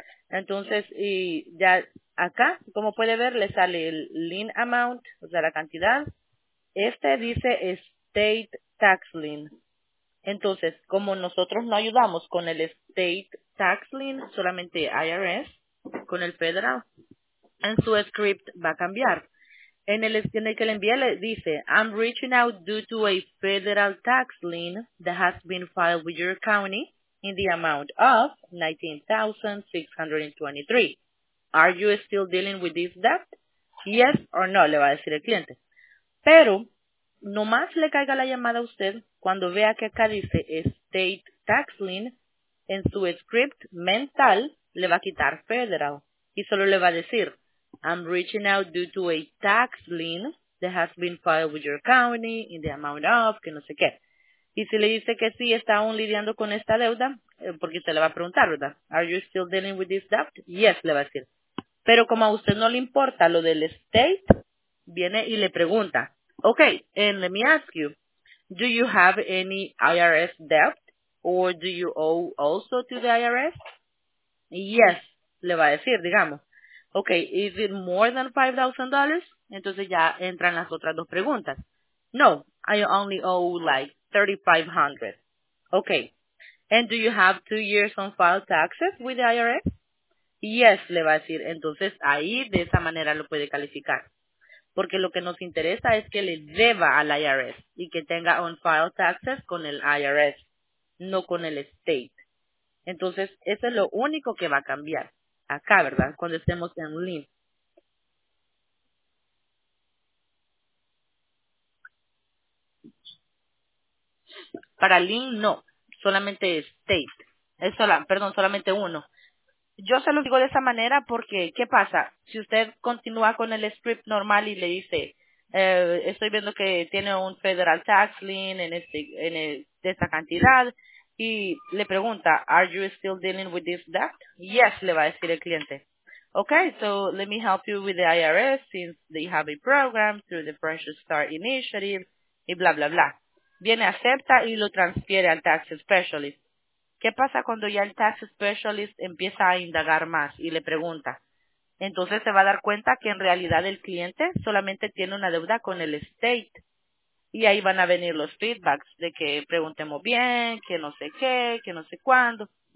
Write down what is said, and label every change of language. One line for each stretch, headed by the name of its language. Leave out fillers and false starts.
Spanish: Entonces, y ya acá, como puede ver, le sale el lien amount, o sea, la cantidad. Este dice state tax lien. Entonces, como nosotros no ayudamos con el state tax lien, solamente IRS, con el federal, en su script va a cambiar. En el que le envié le dice,
English: I'm reaching out due to a federal tax lien that has been filed with your county in the amount of $19,623. Are you still dealing with this debt? Yes or no,
Spanish: le va a decir el cliente. Pero, nomás le caiga la llamada a usted cuando vea que acá dice state tax lien, en su script mental le va a quitar federal y solo le va a decir,
English: I'm reaching out due to a tax lien that has been filed with your county in the amount of,
Spanish: que no sé qué. Y si le dice que sí, está aún lidiando con esta deuda, porque usted le va a preguntar, ¿verdad?
English: Are you still dealing with this debt? Yes,
Spanish: le va a decir. Pero como a usted no le importa lo del state, viene y le pregunta,
English: okay, and let me ask you, do you have any IRS debt or do you owe also to the IRS? Yes,
Spanish: le va a decir, digamos.
English: Okay, is it more than $5,000?
Spanish: Entonces ya entran las otras dos preguntas.
English: No, I only owe like $3,500. Okay, and do you have 2 years on file taxes with the IRS?
Spanish: Yes, le va a decir. Entonces ahí de esa manera lo puede calificar. Porque lo que nos interesa es que le deba al IRS y que tenga on file taxes con el IRS, no con el state. Entonces eso es lo único que va a cambiar. Acá, ¿verdad? Cuando estemos en lien. Para lien, no. Solamente state. Solamente uno. Yo se lo digo de esa manera porque, ¿qué pasa? Si usted continúa con el script normal y le dice, estoy viendo que tiene un federal tax lien de esta cantidad, y le pregunta,
English: are you still dealing with this debt?
Spanish: Yes, le va a decir el cliente.
English: Okay, so let me help you with the IRS since they have a program through the Fresh Start Initiative
Spanish: y bla, bla, bla. Viene, acepta y lo transfiere al tax specialist. ¿Qué pasa cuando ya el tax specialist empieza a indagar más y le pregunta? Entonces se va a dar cuenta que en realidad el cliente solamente tiene una deuda con el state. Y ahí van a venir los feedbacks de que preguntemos bien, que no sé qué, que no sé cuándo.